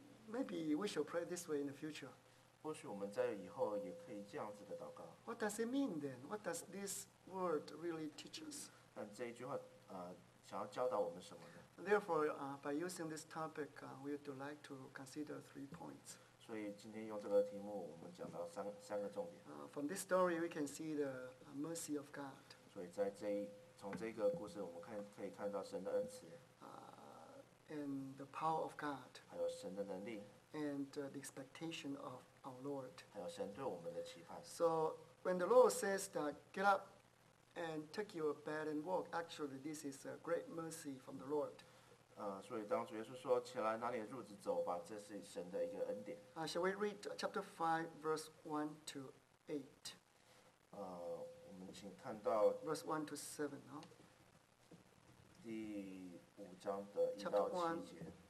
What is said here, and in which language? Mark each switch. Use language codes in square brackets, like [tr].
[en] Maybe we shall pray this way in the future. [zh] 或许我们在以后也可以这样子的祷告。 [en] What does it mean then? What does this word really teach us? [zh] 但这一句话，想要教导我们什么呢 [en] ？Therefore, by using this topic, we would like to consider three points. [zh] 所以今天用这个题目，我们讲到三个重点。 [en] From this story, we can see the mercy of God. [zh] 所以在从这个故事，我们可以看到神的恩慈。 [en] And the power of God. [zh] 还有神的能力。 [en] And the expectation of our Lord. [zh] 还有神对我们的期盼。 [en] So when the Lord says that get up and take your bed and walk, actually this is a great mercy from the Lord. [zh] 所以当主耶稣说起来拿你的褥子走吧，这是神的一个恩典。 [en] Shall we read chapter 5, verse 1-8? [zh] 我们请看到 [en] verse 1-7, [zh] 第五章的一到七节。